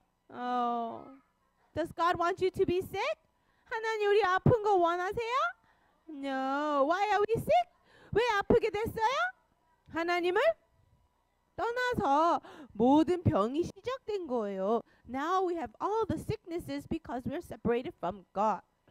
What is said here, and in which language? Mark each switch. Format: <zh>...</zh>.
<en>Oh, does God want you to be sick?</en> <ko>하나님 우리 아픈 거 원하세요?</ko> <en>No, why are we sick?</en> <ko>왜 아프게 됐어요? 하나님을? 떠나서 모든 병이 시작된 거예요.</ko> <en>Now we have all the sicknesses because we're separated from God.</en>